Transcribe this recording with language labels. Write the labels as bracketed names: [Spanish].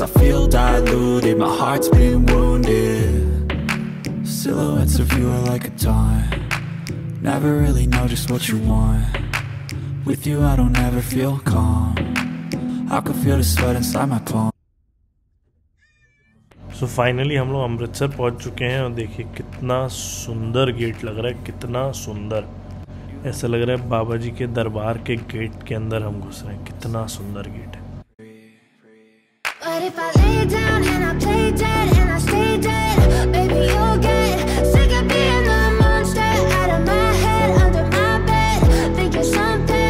[English] I feel diluted, my heart's been wounded. Silhouettes of you are like a taunt. Never really know just what you want. With you I don't ever feel calm. I could feel the sweat inside my palm. So finally [Hindi] हम लोग अमृतसर पहुंच चुके हैं और देखिए कितना सुंदर gate लग रहा है, कितना सुंदर, ऐसा लग रहा है बाबा जी के दरबार के गेट के अंदर हम घुस रहे हैं, कितना सुंदर गेट है। [English] But if I lay down and I play dead and I stay dead, baby you'll get sick of being the monster out of my head, under my bed, thinking something.